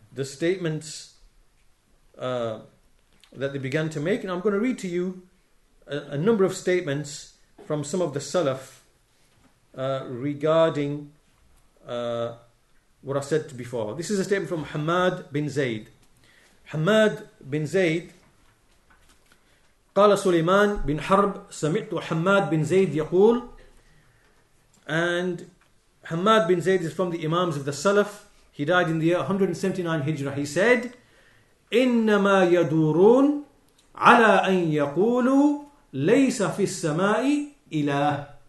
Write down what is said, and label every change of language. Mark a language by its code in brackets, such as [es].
[en] The statements that they began to make. And I'm going to read to you a number of statements from some of the Salaf regarding what I said before. This is a statement from Hamad bin Zayd. [ar] Hamad bin Zayd, قال سليمان بن حرب سمعت حماد بن زيد يقول. [en] And Hamad bin Zayd is from the Imams of the Salaf. He died in the year 179 Hijrah. He said, [ar] إنما يدورون على أن يقولوا ليس في السماء إله.